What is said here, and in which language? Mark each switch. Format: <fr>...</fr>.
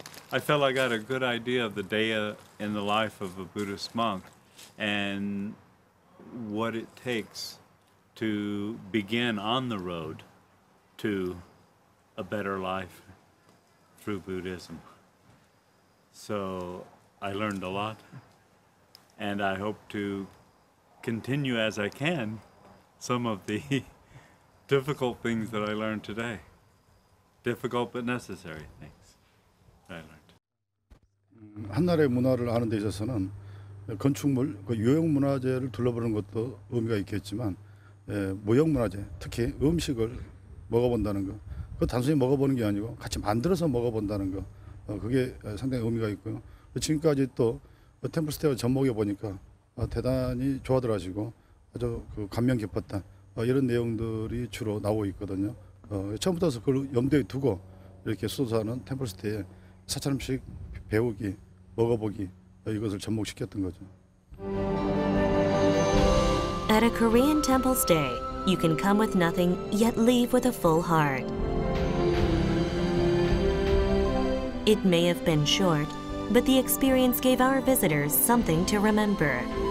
<en>I felt I got a good idea of the day in the life of a Buddhist monk and what it takes to begin on the road to a better life through Buddhism. So I learned a lot, and I hope to continue as I can some of the difficult things that I learned today. Difficult but necessary things that I learned.</en> <ko>한나라의 문화를 아는 데 있어서는 건축물, 그 유형 문화재를 둘러보는 것도 의미가 있겠지만 무형 문화재, 특히 음식을 먹어본다는 것. 그 단순히 먹어보는 게 아니고 같이 만들어서 먹어본다는 거, 그게 상당히 의미가 있고요. 지금까지 또 템플스테이 접목해 보니까 대단히 좋아들 하시고 아주 그 감명 깊었다 이런 내용들이 주로 나오고 있거든요. 처음부터 그걸 염두에 두고 이렇게 수도사는 템플스테이 사찰 음식 배우기, 먹어보기 이것을 접목시켰던 거죠.</ko> <en>At a Korean temple stay, you can come with nothing yet leave with a full heart. It may have been short, but the experience gave our visitors something to remember.</en>